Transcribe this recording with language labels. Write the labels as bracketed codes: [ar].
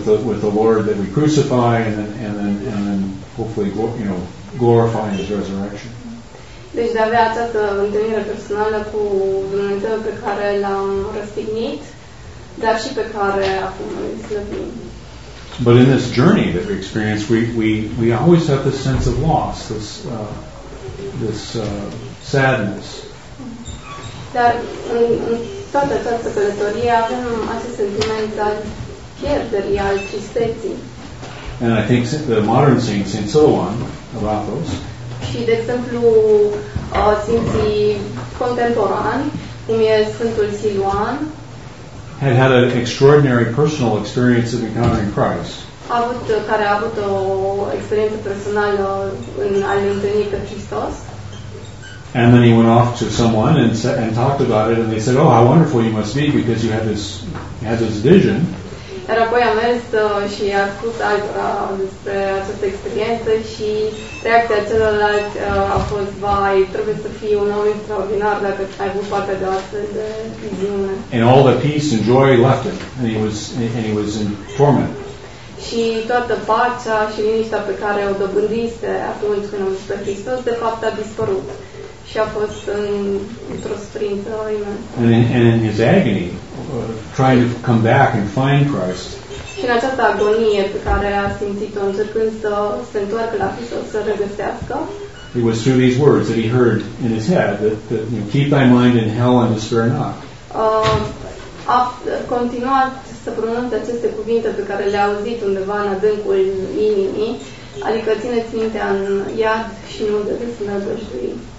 [en] With the Lord that we crucify and then hopefully, you know, glorify in His resurrection. [ro] Deci de a avea această întâlnire personală cu Dumnezeu pe care l-am răstignit, dar și pe care acum îl slăvim. [en] But in this journey that we experience, we always have this sense of loss, this sadness. [ro] Dar în toată această călătorie avem acest sentiment al pierderii, al tristeții. [en] And I think the modern saint, Saint Silwan of Athos. [ro] Și de exemplu, sfinții contemporani, cum e Sfântul Silwan, [en] had had an extraordinary personal experience of encountering Christ. [ro] Care a avut o experiență personală în a-L întâlni pe Hristos. [en] And then he went off to someone and talked about it, and they said, "Oh, how wonderful you must be because you had this vision." [ro] Iar apoi a mers și a spus altora despre această experiență și reacția celorlalt a fost, vai, trebuie să fii un om extraordinar dacă ai avut parte de o astfel de viziune. [en] And all the peace and joy left him, and he was in torment. [ro] Și toată pacea și liniștea pe care o dobândise atunci când a fost pe Hristos, de fapt a dispărut și a fost într-o suferință imensă. [en] And in his agony, trying to come back and find Christ. [ro] Și în această agonie pe care a simțit-o încercând să se întoarcă la Hristos, să regăsească. [en] It was through these words that he heard in his head that you know, keep thy mind in hell and despair not. [ro] A continuat să pronunțe aceste cuvinte pe care le-a auzit undeva în adâncul inimii, adică țineți mintea în iad și nu de desnădăjdui.